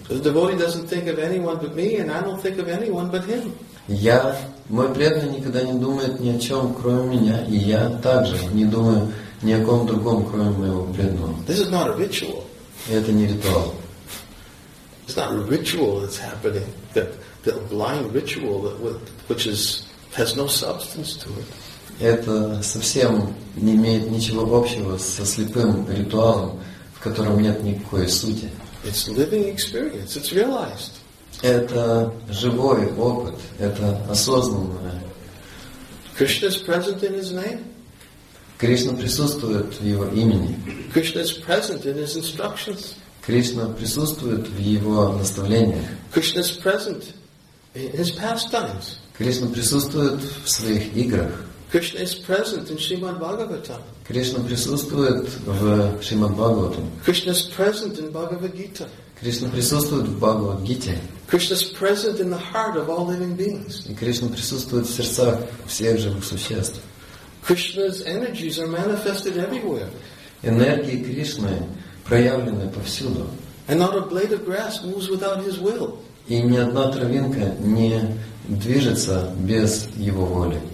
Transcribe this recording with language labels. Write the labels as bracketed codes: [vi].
[en] The devotee doesn't think of anyone but me, and I don't think of anyone but him. [ru] Мой преданный никогда не думает ни о чем, кроме меня, и я также не думаю ни о ком другом, кроме моего преданного. [en] This is not a ritual. [ru] Это не ритуал. [en] It's not a ritual that's happening. That blind ritual that which is has no substance to it. [ru] Это совсем не имеет ничего общего со слепым ритуалом, в котором нет никакой сути. [en] It's living experience. It's realized. [ru] Это живой опыт. Это осознанное. [en] Krishna is present in His name. [ru] Кришна присутствует в Его имени. [en] Krishna is present in His instructions. [ru] Кришна присутствует в Его наставлениях. [en] Krishna is present in His pastimes. [ru] Кришна присутствует в своих играх. [en] Krishna is present in Srimad Bhagavatam. [ru] Кришна присутствует в Шримад Бхагаватам. [en] Krishna is present in Bhagavad Gita. [ru] Кришна присутствует в Бхагавад Гите. [en] Krishna is present in the heart of all living beings. [ru] И Кришна присутствует в сердцах всех живых существ. [en] Krishna's energies are manifested everywhere. [ru] Энергии Кришны проявлены повсюду. [en] And not a blade of grass moves without His will. [ru] И ни одна травинка не движется без Его воли.